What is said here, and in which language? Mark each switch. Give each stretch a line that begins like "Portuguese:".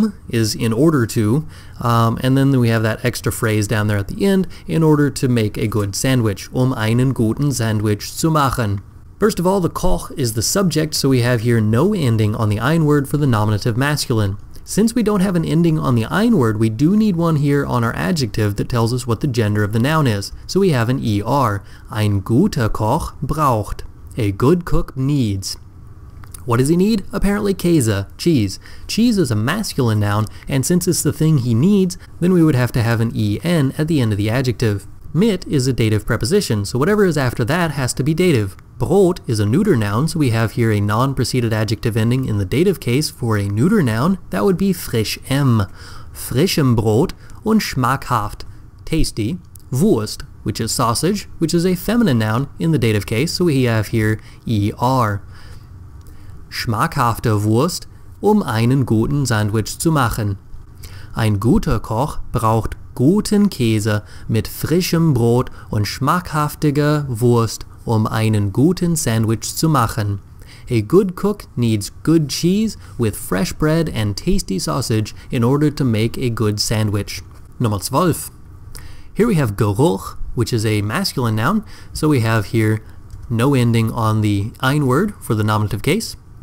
English: Is in order to, and then we have that extra phrase down there at the end, in order to make a good sandwich,
German: einen guten Sandwich zu machen.
English: First of all, the Koch is the subject, so we have here no ending on the ein-word for the nominative masculine. Since we don't have an ending on the ein-word, we do need one here on our adjective that tells us what the gender of the noun is. So we have an er,
German: ein guter Koch braucht.
English: A good cook needs. What does he need? Apparently Käse, cheese. Cheese is a masculine noun, and since it's the thing he needs, then we would have to have an en at the end of the adjective. Mit is a dative preposition, so whatever is after that has to be dative. Brot is a neuter noun, so we have here a non-preceded adjective ending in the dative case for a neuter noun. That would be
German: frischem. Frischem Brot und schmackhaft.
English: Tasty. Wurst, which is sausage, which is a feminine noun in the dative case, so we have here er.
German: Schmackhafte Wurst, einen guten Sandwich zu machen. Ein guter Koch braucht guten Käse mit frischem Brot und schmackhaftiger Wurst, einen guten Sandwich zu machen.
English: A good cook needs good cheese with fresh bread and tasty sausage in order to make a good sandwich.
German: Nummer 12.
English: Here we have Geruch, which is a masculine noun, so we have here no ending on the ein-word for the nominative case.